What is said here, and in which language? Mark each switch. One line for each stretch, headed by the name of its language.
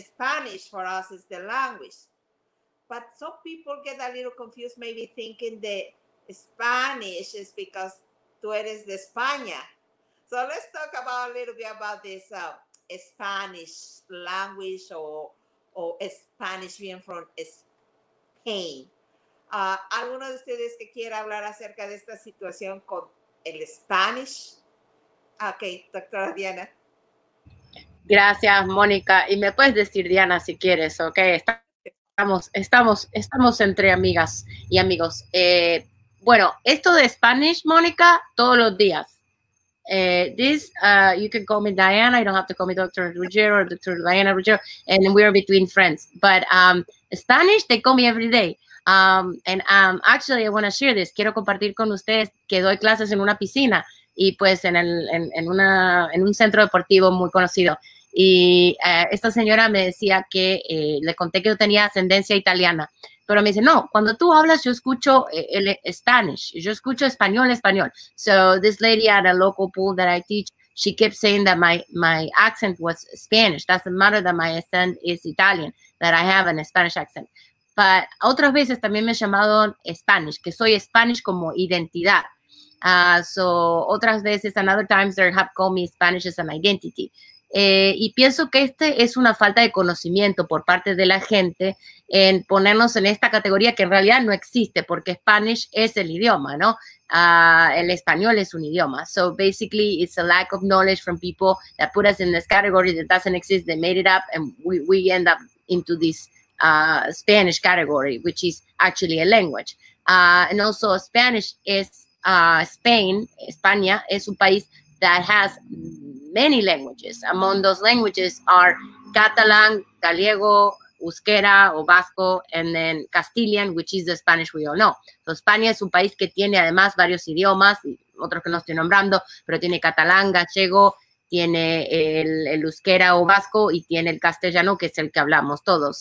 English: Spanish for us is the language. But some people get a little confused, maybe thinking the Spanish is because
Spanish: tú eres de España.
English: So let's talk about a little bit about this Spanish language or Spanish being from Spain.
Spanish: ¿Alguno de ustedes que quiera hablar acerca de esta situación con el Spanish? Ok, doctora Diana. Gracias, Mónica. Y me puedes decir, Diana, si quieres, ok. Estamos entre amigas y amigos. Bueno, esto de Spanish, Mónica, todos los días.
English: You can call me Diana. You don't have to call me Dr. Ruggiero or Dr. Diana Ruggiero. And we are between friends. But Spanish, they call me every day. Actually, I want to share this.
Spanish: Quiero compartir con ustedes que doy clases en una piscina y pues en un centro deportivo muy conocido. Y esta señora me decía que le conté que yo tenía ascendencia italiana. Pero me dice, no, cuando tú hablas, yo escucho el Spanish. Yo escucho español.
English: So this lady at a local pool that I teach, she kept saying that my accent was Spanish. Doesn't matter that my accent is Italian, that I have an Spanish accent.
Spanish: But otras veces también me llamaron Spanish, que soy Spanish como identidad.
English: So
Spanish: otras veces,
English: and other times, they have called me Spanish as an identity.
Spanish: Y pienso que este es una falta de conocimiento por parte de la gente en ponernos en esta categoría que en realidad no existe, porque Spanish es el idioma, ¿no? El español es un idioma.
English: So basically, it's a lack of knowledge from people that put us in this category that doesn't exist. They made it up, and we end up into this Spanish category, which is actually a language. And also Spanish is Spain,
Spanish: España es un país
English: that has many languages. Among those languages are Catalan, Gallego, Euskera o Vasco, and then Castilian, which is the Spanish we all know.
Spanish: So España es un país que tiene además varios idiomas, otros que no estoy nombrando, pero tiene Catalán, Gallego, tiene el euskera o vasco y tiene el castellano, que es el que hablamos todos.